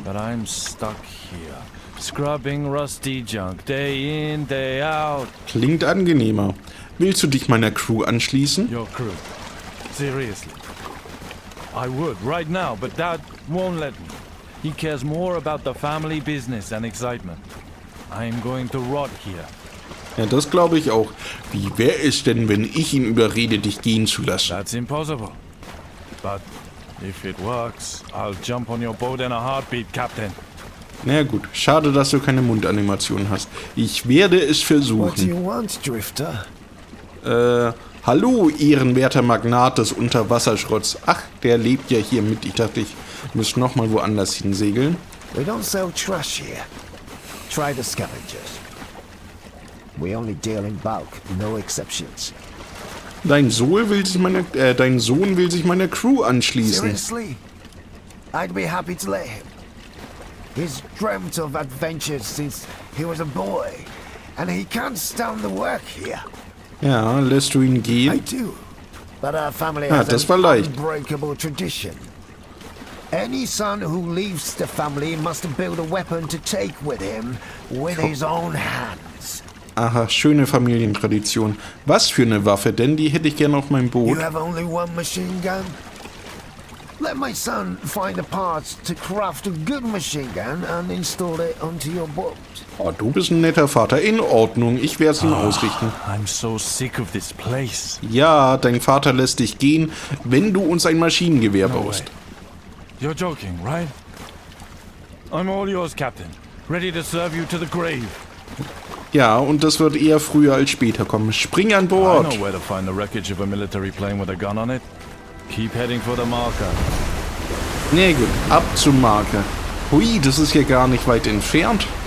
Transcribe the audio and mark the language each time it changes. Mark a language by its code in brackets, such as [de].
[en] But I'm stuck here, scrubbing rusty junk day in, day out. [de] Klingt angenehmer. Willst du dich meiner Crew anschließen? [en] Your crew? Seriously? I would, right now, but Dad won't let me. He cares more about the family business and excitement. I'm going to rot here. [de] Ja, das glaube ich auch. Wie wäre es denn, wenn ich ihn überrede, dich gehen zu lassen? [en] That's impossible. But if it works, I'll jump on your boat in a heartbeat, Captain. [de] Na gut, schade, dass du keine Mundanimation hast. Ich werde es versuchen. [en] What do you want, Drifter? [de] Hallo, ehrenwerter Magnat des Unterwasserschrotts. Ach, der lebt ja hier mit. Ich dachte, ich muss nochmal woanders hinsegeln. [en] We don't sell trash here. Try the scavengers. We only deal in bulk, no exceptions. [de] Dein Sohn will sich meiner Crew anschließen. [en] Seriously? I'd be happy to let him. He's dreamt of adventures since he was a boy, and he can't stand the work here. [de] Ja, lässt du ihn gehen? [en] I do. But our family [de] ja, [en] has [de] das [en] an [de] war leicht. [en] Unbreakable tradition. Any son who leaves the family must build a weapon to take with him with his own hands. [de] Aha, schöne Familientradition. Was für eine Waffe, denn die hätte ich gerne auf meinem Boot. [en] You have only one machine gun? Let my son find the parts to craft a good machine gun and install it onto your boat. [de] Oh, du bist ein netter Vater. In Ordnung, ich werde es ihm ausrichten. [en] I'm so sick of this place. [de] Ja, dein Vater lässt dich gehen, wenn du uns ein Maschinengewehr baust. [en] No, you're joking, right? I'm all yours, Captain. Ready to serve you to the grave. [de] Ja, und das wird eher früher als später kommen. Spring an Bord! [en] I know where to find the wreckage of a military plane with a gun on it. Keep heading for the marker. [de] Nee, gut. Ab zum Marker. Hui, das ist hier gar nicht weit entfernt.